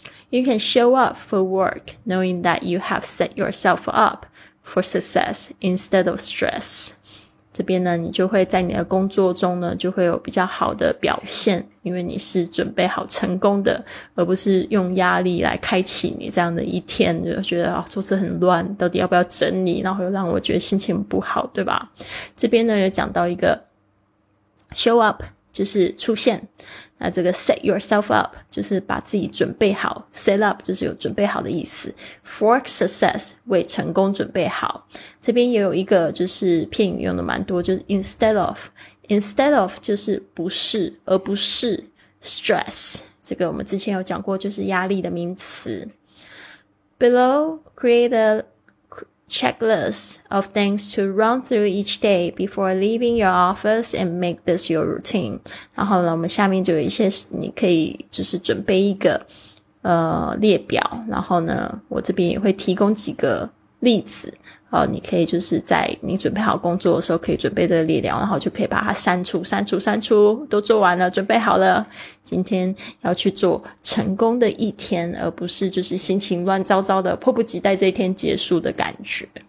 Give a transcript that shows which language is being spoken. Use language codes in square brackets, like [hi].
[en] You can show up for work knowing that you have set yourself up for success instead of stress. [zh] 这边呢你就会在你的工作中呢就会有比较好的表现，因为你是准备好成功的，而不是用压力来开启你这样的一天，就觉得做事很乱，到底要不要整理，然后又让我觉得心情不好，对吧。这边呢有讲到一个 show up 就是出现，那这个 set yourself up 就是把自己准备好， set up 就是有准备好的意思， for success 为成功准备好。这边也有一个就是片语用的蛮多，就是 instead of 就是不是，而不是 stress, 这个我们之前有讲过就是压力的名词。 [en] Below, create a checklist of things to run through each day before leaving your office and make this your routine. [zh] 然后呢我们下面就有一些你可以就是准备一个列表，然后呢我这边也会提供几个例子，你可以就是在你准备好工作的时候可以准备这个列表，然后就可以把它删除，都做完了，准备好了，今天要去做成功的一天，而不是就是心情乱糟糟的迫不及待这一天结束的感觉。